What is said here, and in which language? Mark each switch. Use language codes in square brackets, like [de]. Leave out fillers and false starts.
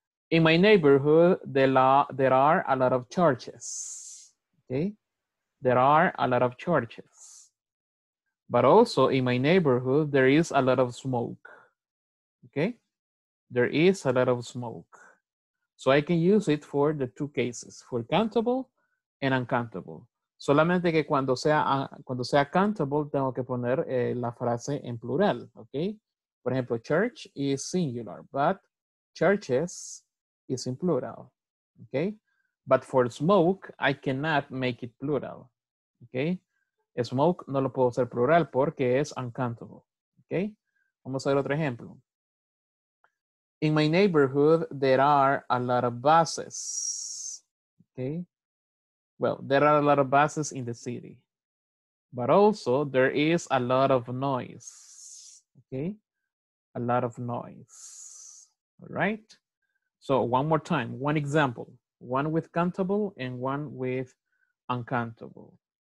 [en] In my neighborhood, there are a lot of churches, okay? There are a lot of churches. But also, in my neighborhood, there is a lot of smoke. Okay, there is a lot of smoke. So I can use it for the two cases, for countable and uncountable. [es] Solamente que cuando sea countable, tengo que poner la frase en plural, okay? Por ejemplo, [en] church is singular, but churches is in plural, okay? But for smoke, I cannot make it plural, okay? [es] Smoke no lo puedo hacer plural porque es uncountable, okay? Vamos a ver otro ejemplo. [en] In my neighborhood, there are a lot of buses, okay? Well, there are a lot of buses in the city, but also there is a lot of noise, okay? A lot of noise, all right? So one more time, one example, one with countable and one with uncountable.